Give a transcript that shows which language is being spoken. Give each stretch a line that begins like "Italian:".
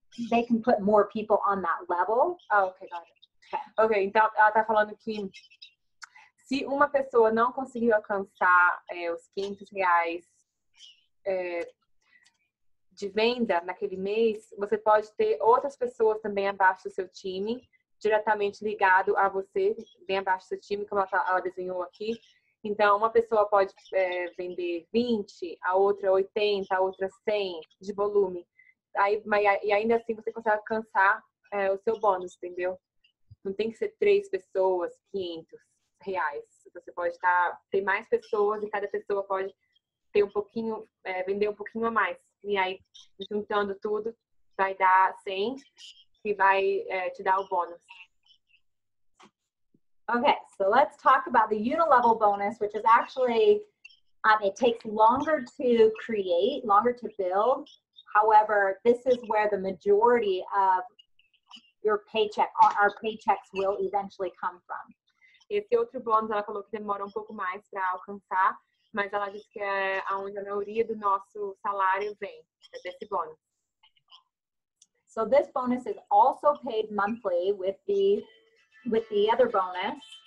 English: They can put more people on that level. Oh, okay, got it.
Portuguese: Okay, então ela está falando que se uma pessoa não conseguiu alcançar os R$500 de venda naquele mês, você pode ter outras pessoas também abaixo do seu time, diretamente ligado a você, bem abaixo do seu time, como ela desenhou aqui. Então, uma pessoa pode vender 20, a outra 80, a outra 100 de volume. Aí, e ainda assim você consegue alcançar o seu bônus, entendeu? Não tem que ser três pessoas, R$500. Você pode ter mais pessoas e cada pessoa pode ter um pouquinho, vender um pouquinho a mais. E aí, juntando tudo, vai dar 100 e vai te dar o bônus.
English: Okay, so let's talk about the unilevel bonus, which is actually, it takes longer to create, longer to build. However, this is where the majority of your paycheck, our paychecks will eventually come from.
Portuguese: Esse outro bônus, ela falou que demora um pouco mais para alcançar, mas ela disse que é onde a maioria do nosso salário vem, desse bônus.
English: So this bonus is also paid monthly with the other bonus.